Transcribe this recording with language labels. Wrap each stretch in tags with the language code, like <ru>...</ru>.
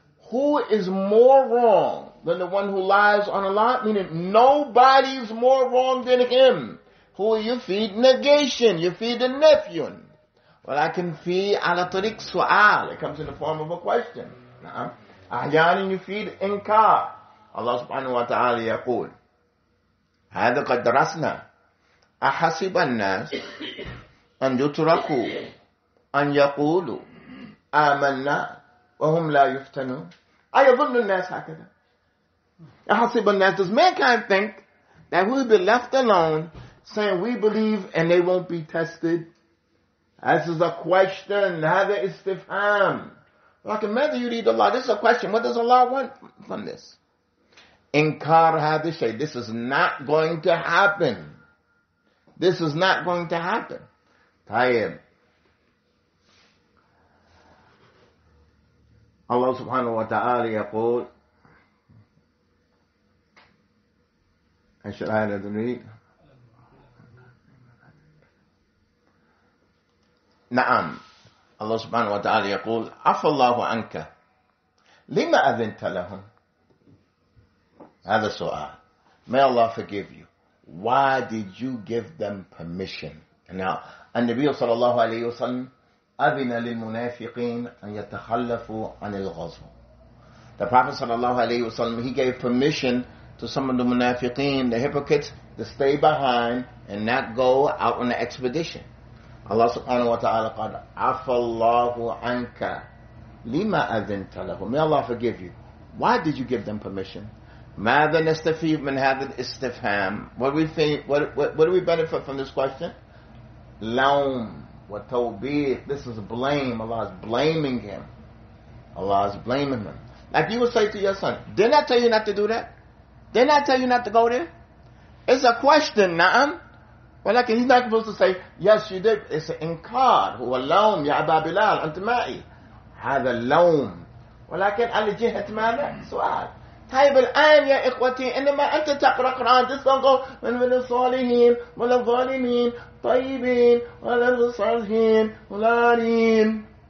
<en>Who is more wrong than the one who lies on Allah? Meaning nobody is more wrong than him. Who</en> <ar>يفيد</ar> <en>negation.</en> <ar>يفيد النفي. ولكن في على طريق سؤال.</ar> <en>It comes in the form of a question.</en> <ar>نعم. أحيانا يفيد إنكار. الله سبحانه وتعالى يقول هذا قد درسنا أحسب الناس أن يتركوا أن يقولوا آمنا وهم لا يفتنون. أيظن الناس هكذا. أحسب الناس.</ar> <en>Does mankind think that we'll be left alone saying we believe and they won't be tested? This is a question.</en> <ar>هذا استفهام. لكن ماذا يريد الله?</ar> <en>This is a question. What does Allah want from this?</en> <ar>إنكار هذا الشيء.</ar> <en>This is not going to happen. This is not going to happen.</en> <ar>طيب. الله سبحانه وتعالى يقول أشرح لدني نعم الله سبحانه وتعالى يقول عفى الله عنك لما أذنت لهم هذا سؤال.</ar> <en>May Allah forgive you. Why did you give them permission? Now,</en> <ar>النبي صلى الله عليه وسلم أذن للمنافقين أن يتخلفوا عن الغزو.</ar> <en>The Prophet</en> <ar>صلى الله عليه وسلم,</ar> <en>he gave permission to some of the munafiqeen, the hypocrites, to stay behind and not go out on the expedition.</en> <ar>Allah subhanahu wa ta'ala قال عفى الله عنك لما أذنت له.</ar> <en>May Allah forgive you. Why did you give them permission?</en> <ar>ماذا نستفيد من هذا الاستفهام?</ar> <en>What do we benefit from this question?</en> <ar>لوم وتوبيخ.</ar> <en>This is blame. Allah is blaming him. Allah is blaming him. Like you would say to your son, didn't I tell you not to do that? Didn't I tell you not to go there? It's a question, na'am. Well, like, he's not supposed to say, yes, you did. It's an inkar.</en> <ar>هو اللوم يا أبا بلال أنت معي. هذا اللوم. ولكن على جهة ماذا؟ سؤال. طيب الآن يا إخوتي إنما أنت تقرأ قرآن تستنقل من الصالحين ولا الظالمين طيبين ولا الصالحين ولا الظالمين.</ar>